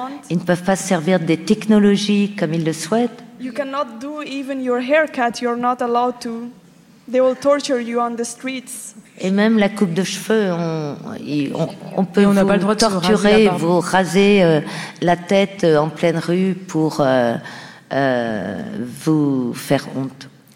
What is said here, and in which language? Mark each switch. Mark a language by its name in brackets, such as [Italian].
[French] Ils ne peuvent pas se servir des technologies comme ils le souhaitent. [English] You cannot do even your haircut, you're not allowed to. They will torture you on the streets. [French] Et même la coupe de cheveux, on peut on vous torturer, vous raser la tête en pleine rue pour vous faire honte.